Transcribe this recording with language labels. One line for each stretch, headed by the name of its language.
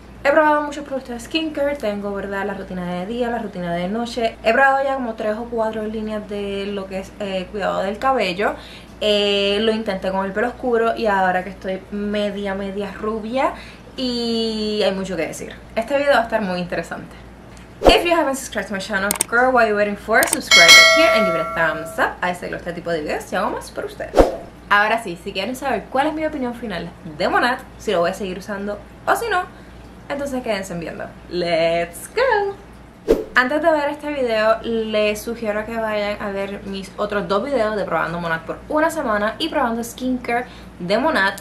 Spanish: He probado muchos productos de skincare, tengo, ¿verdad?, la rutina de día, la rutina de noche. He probado ya como 3 o 4 líneas de lo que es cuidado del cabello. Lo intenté con el pelo oscuro y ahora que estoy media rubia, y hay mucho que decir. Este video va a estar muy interesante.
English: If you haven't subscribed to my channel, girl, what are you waiting for? Subscribe right here and give it a thumbs up.
Spanish: A este, este tipo de videos, y hago más por ustedes. Ahora sí, si quieren saber cuál es mi opinión final de Monat, si lo voy a seguir usando o si no, entonces quédense viendo.
English: Let's go.
Spanish: Antes de ver este video, les sugiero que vayan a ver mis otros 2 videos de probando Monat por una semana y probando skincare de Monat.